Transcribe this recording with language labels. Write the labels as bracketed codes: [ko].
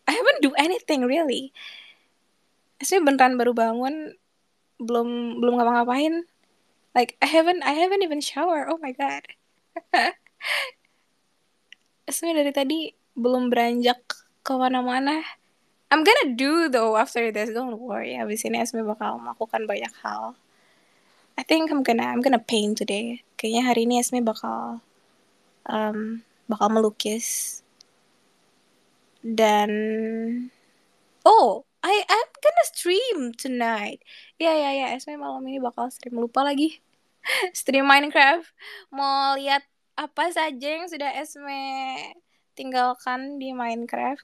[en] I haven't do anything really. [id] Esme beneran baru bangun, belum ngapa-ngapain. [en] Like I haven't even shower. Oh my god. [id] Esme dari tadi belum beranjak ke mana-mana. [en] I'm gonna do though after this. Don't worry. [id] Abis ini Esme bakal melakukan banyak hal. [en] I think I'm gonna paint today. [id] Kayaknya hari ini Esme bakal melukis. [en] Dan I'm gonna stream tonight. [id] Yeah. Esme malam ini bakal stream, lupa lagi. Stream Minecraft. Mau lihat apa saja yang sudah Esme tinggalkan di Minecraft.